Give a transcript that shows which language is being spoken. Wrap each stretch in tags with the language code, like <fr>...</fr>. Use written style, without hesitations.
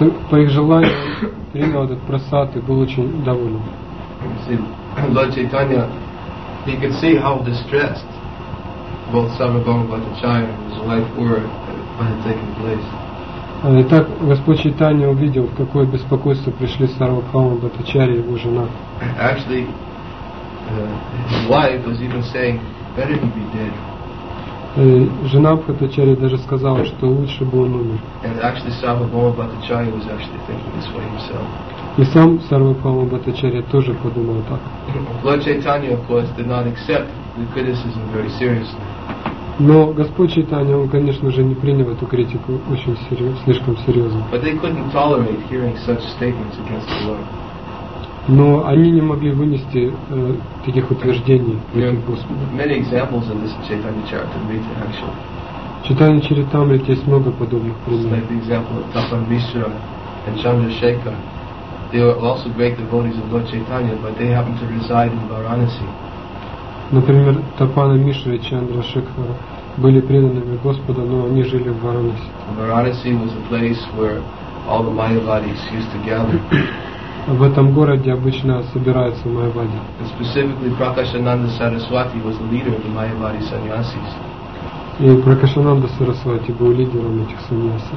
<ru>По их желанию, он принял этот прасад и был очень доволен.</ru> <en>Lord Chaitanya, he could see how distressed both Sarvabhauma Bhattacharya and his wife were when it taken place.</en> <ru>Итак, Господь Чайтанья увидел, в какое беспокойство пришли Сарвабхаума Бхаттачарья и его жена.</ru> <en>Actually, his wife was even saying, "Better he be dead."</en> <ru>Жена Бхаттачарьи даже сказала, что лучше бы он умер.</ru> <en>And actually, Sarvabhauma Bhattacharya was actually thinking this way himself.</en> <ru>И сам Сарвабхаума Бхаттачарья тоже подумал так.</ru> <en>Lord Chaitanya, of course, did not accept the criticism very seriously.</en> <ru>Но Господь Чайтанья, он, конечно же, не принял эту критику очень серьезно, слишком серьезно.</ru> <en>But they couldn't tolerate hearing such statements against the Lord.</en> <ru>Но они не могли вынести таких утверждений от Господа.</ru> <en>Many examples in this Chaitanya Charitamrita, actually.</en> <ru>В Чайтанья Чаритамрите есть много подобных примеров.</ru> <en>Like the example of Tapan Mishra and Chandrasekhar. They were also great devotees of Lord Chaitanya, but they happened to reside in Varanasi.</en> <ru>Например, Тапана Мишра и Чандра Шекхара были преданными Господу, но они жили в Варанаси.</ru> <en>Varanasi was a place where all the Mayavadis used to gather.</en> <ru>В этом городе обычно собираются Майявади.</ru> <en>Specifically, Prakashananda Saraswati was the leader of the Mayavadi sannyasis.</en> <ru>И Пракашананда Сарасвати был лидером этих саньяси.</ru>